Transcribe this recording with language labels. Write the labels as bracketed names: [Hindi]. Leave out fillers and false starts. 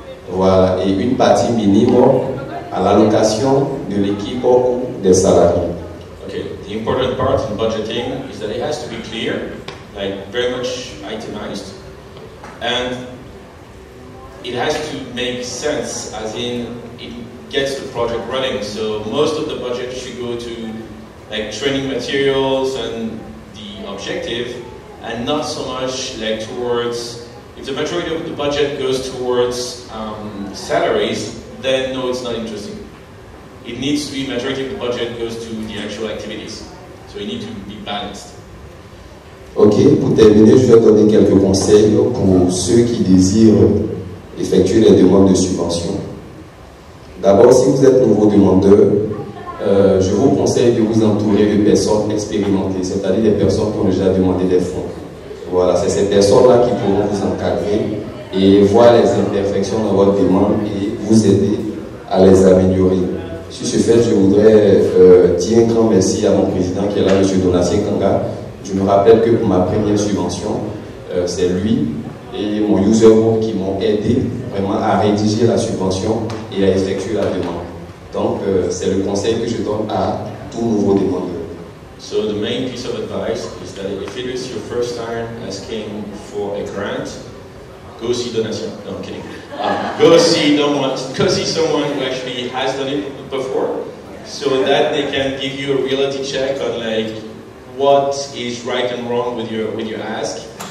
[French] Voilà, et une partie minimum à l'allocation de l'équipe ou des salariés. [English] Ok, the important part in budgeting is that it has to be clear, like very much itemized, and it has to make sense, as in it gets the project running. So most of the budget should go to like training materials and the objective, and not so much like towards, if the majority of the budget goes towards salaries, then no, it's not interesting. It needs to be, majority of the budget goes to the actual activities. So it needs to be balanced. [French] Ok, pour terminer, je vais donner quelques conseils pour ceux qui désirent effectuer les demandes de subvention. D'abord, si vous êtes nouveau demandeur, je vous conseille de vous entourer de personnes expérimentées, c'est-à-dire des personnes qui ont déjà demandé des fonds. Voilà, c'est ces personnes-là qui pourront vous encadrer et voir les imperfections dans votre demande et vous aider à les améliorer. Sur ce fait, je voudrais dire un grand merci à mon président qui est là, M. Donatien Kanga. Je me rappelle que pour ma première subvention, c'est lui et mon user group qui m'ont aidé vraiment à rédiger la subvention et à effectuer la demande. Donc, c'est le conseil que je donne à tout nouveau demandeur. [English] So the main piece of advice is that if it is your first time asking for a grant, go see Donatien. No, I'm kidding. Go see someone who actually has done it before, so that they can give you a reality check on like what is right and wrong with your ask.